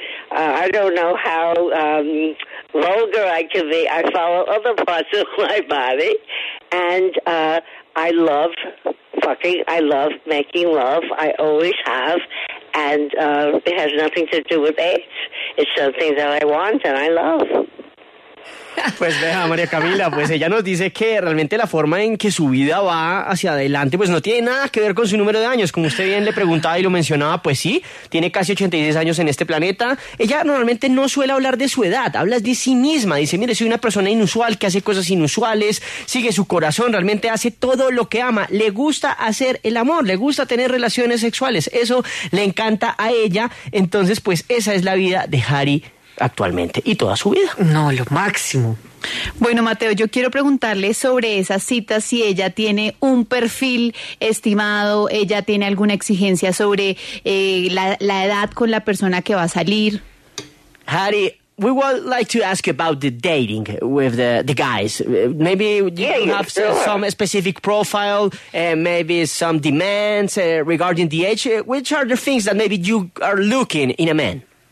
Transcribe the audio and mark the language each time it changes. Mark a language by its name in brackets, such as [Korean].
[English] I don't know how vulgar I can be. I follow other parts of my body. And I love fucking. I love making love. I always have. And it has nothing to do with AIDS. It's something that I want and I love. [Spanish] Pues vea, María Camila, pues ella nos dice que realmente la forma en que su vida va hacia adelante pues no tiene nada que ver con su número de años. Como usted bien le preguntaba y lo mencionaba, pues sí, tiene casi 86 años en este planeta. Ella normalmente no suele hablar de su edad, habla de sí misma. Dice, mire, soy una persona inusual que hace cosas inusuales, sigue su corazón, realmente hace todo lo que ama. Le gusta hacer el amor, le gusta tener relaciones sexuales. Eso le encanta a ella. Entonces, pues esa es la vida de Hari actualmente y toda su vida. No, lo máximo. Bueno, Mateo, yo quiero preguntarle sobre esas citas, si ella tiene un perfil estimado, ella tiene alguna exigencia sobre la edad con la persona que va a salir. [English] Hari, we would like to ask you about the dating with the guys. Maybe you have some specific profile, maybe some demands regarding the age. Which are the things that maybe you are looking in a man?